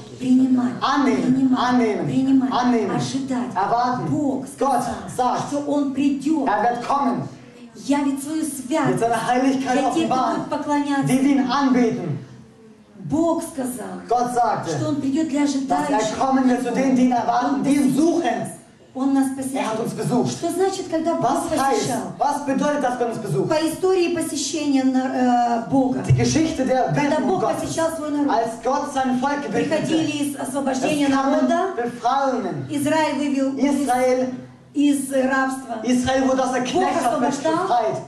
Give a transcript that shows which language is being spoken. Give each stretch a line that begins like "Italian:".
Russian: Принимать.
German: Annehmen.
Russian: Ожидать.
German: Erwarten.
Russian: Бог сказал, что Он придет.
German: Er wird kommen.
Russian: Явит свою святость.
German: Mit seiner Heiligkeit
Russian: для тех, кто будет поклоняться.
German: Die, die ihn anbeten.
Russian: Бог сказал,
German: Gott sagte,
Russian: что Он придет для ожидающих.
German: Dass er kommen wird zu denen, die ihn erwarten, die ihn suchen.
Russian: Он нас посещал. Что значит, когда Бог посещал?
German: Was bedeutet, dass Gott uns besucht?
Russian: По истории посещения Бога.
German: Die Geschichte der Beten Gottes.
Russian: Когда Бог посещал свой народ.
German: Als Gott sein Volk gebetete.
Russian: Приходили из освобождения народа.
German: Befreien.
Russian: Израиль вывел из рабства.
German: Israel wurde aus der Knechtschaft befreit.